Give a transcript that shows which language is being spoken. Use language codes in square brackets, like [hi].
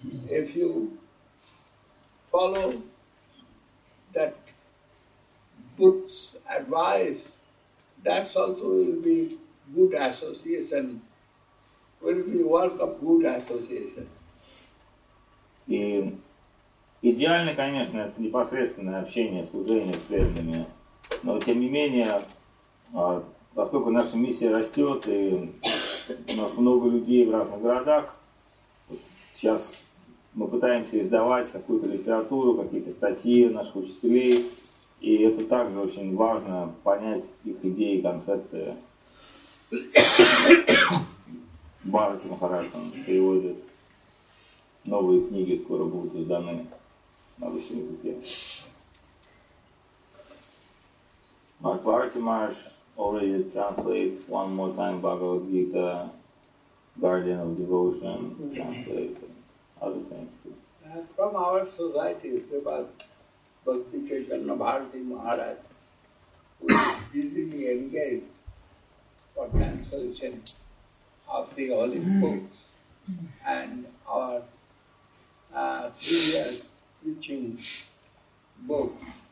[en] If you follow that book's advice, that's also will be good association, will be work of good association. [ru] Идеально, конечно, это непосредственное общение, служение с преданными. Но тем не менее, поскольку наша миссия растет, и у нас много людей в разных городах, сейчас мы пытаемся издавать какую-то литературу, какие-то статьи наших учителей, и это также очень важно понять их идеи, концепции. Бхарати Махарадж переводит новые книги, скоро будут изданы на русском языке. [en] Bhakti Maharaj already translated one more time Bhagavad Gita, Guardian of Devotion, translated other things too. From our society, Srimad Bhakti Chaitanya Bharati Maharaj, who is busily engaged for translation of the holy books and our previous teaching books.